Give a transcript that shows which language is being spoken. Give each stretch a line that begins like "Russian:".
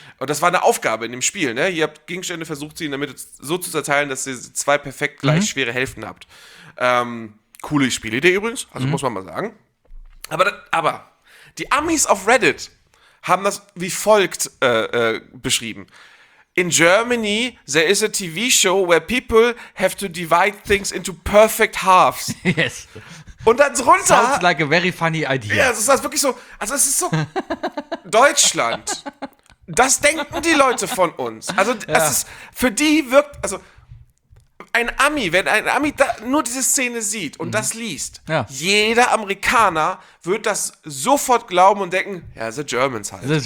German: Und das war eine Aufgabe in dem Spiel, ne? Ihr habt Gegenstände versucht, sie in der Mitte so zu zerteilen, dass ihr zwei perfekt gleich schwere Hälften habt. Coole Spielidee übrigens, also muss man mal sagen. Aber die Amis auf Reddit haben das wie folgt beschrieben.
English: In Germany, there is a TV show where people have to divide things into perfect halves. Yes.
German: Und dann drunter.
English: Sounds like a very funny idea.
German: Ja, das ist wirklich so. Also es ist so Deutschland. Das denken die Leute von uns. Also es ist für die wirkt also. Ein Ami, wenn ein Ami nur diese Szene sieht und das liest, jeder Amerikaner wird das sofort glauben und denken, ja,
English: the Germans
German: halt.